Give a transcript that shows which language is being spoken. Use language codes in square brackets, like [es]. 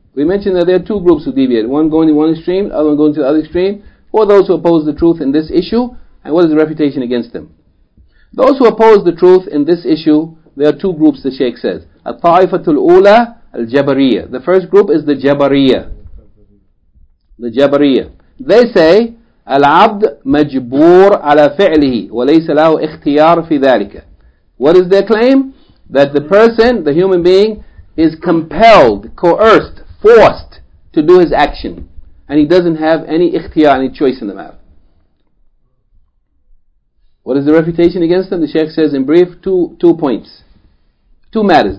[en] We mentioned that there are two groups who deviate, one going to one extreme, other one going to the other extreme. Who are those who oppose the truth in this issue, and what is the refutation against them? Those who oppose the truth in this issue, there are two groups, the Shaykh says. [ar] At-ta'ifatul ula al-jabariya. [en] The first group is the Jabariya. The Jabariya. They say, [ar] العبد مجبور على فعله وليس له اختيار في ذلك. [en] What is their claim? That the person, the human being, is compelled, coerced, forced to do his action, and he doesn't have any اختيار, any choice in the matter. What is the refutation against them? The Shaykh says in brief two points, two matters.